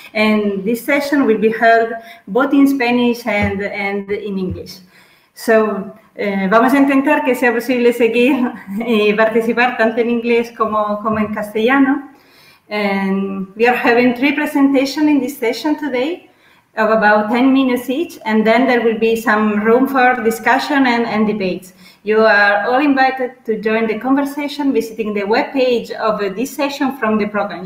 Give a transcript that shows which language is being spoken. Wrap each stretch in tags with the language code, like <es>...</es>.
<en>And this session will be held both in Spanish and in English.</en> <es>So, vamos a intentar que sea posible seguir y participar tanto en inglés como en castellano.</es> <en>And we are having three presentations in this session today of about 10 minutes each, and then there will be some room for discussion and debates. You are all invited to join the conversation visiting the webpage of this session from the program.</en>